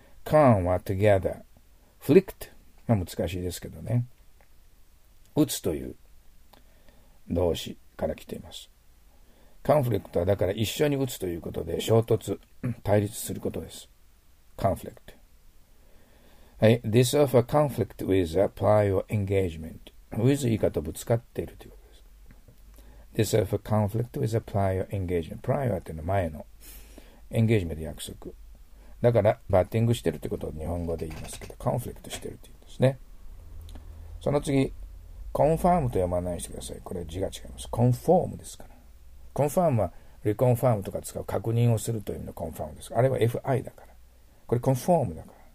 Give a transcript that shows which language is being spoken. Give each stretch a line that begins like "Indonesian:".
Japanese: コンは together。フリクトが難しいですけどね。打つという動詞から来ています。カンフリクトはだから一緒に打つということで、衝突、対立することです。カンフリクト。はい。
English: This of a conflict with a prior engagement.
Japanese: with 以下とぶつかっているということです。
English: This of a conflict with a prior engagement.
Japanese: prior というのは前の。engagement で約束。だから、バッティングしてるということを日本語で言いますけど、カンフリクトしてるって言うんですね。その次、コンファームと読まないでください。これ字が違います。コンフォームですから。コンファームはリコンファームとか使う確認をするという意味のコンファームです。あれは FI だから。これコンフォームだから。